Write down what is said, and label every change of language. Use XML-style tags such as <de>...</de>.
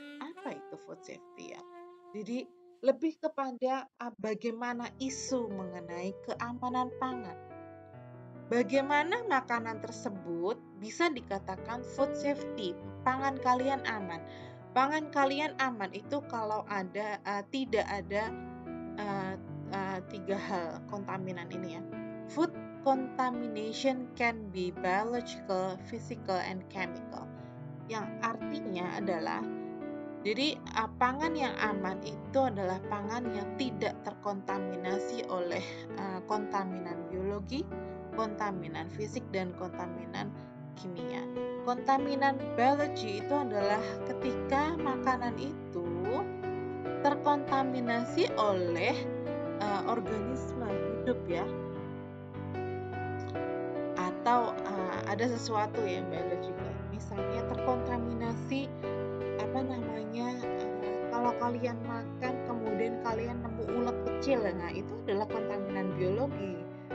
<id>Apa itu food safety ya? Jadi lebih kepada bagaimana isu mengenai keamanan pangan. Bagaimana makanan tersebut bisa dikatakan food safety? Pangan kalian aman. Pangan kalian aman itu kalau ada tidak ada tiga hal kontaminan ini ya.</id> <en>Food contamination can be biological, physical, and chemical.</en> <id>Yang artinya adalah, jadi pangan yang aman itu adalah pangan yang tidak terkontaminasi oleh kontaminan biologi, kontaminan fisik, dan kontaminan kimia. Kontaminan biologi itu adalah ketika makanan itu terkontaminasi oleh organisme hidup ya, atau ada sesuatu yang biological, misalnya terkontaminasi apa namanya kalau kalian makan kemudian kalian nemu ulat kecil, nah itu adalah kontaminan biologi.</id>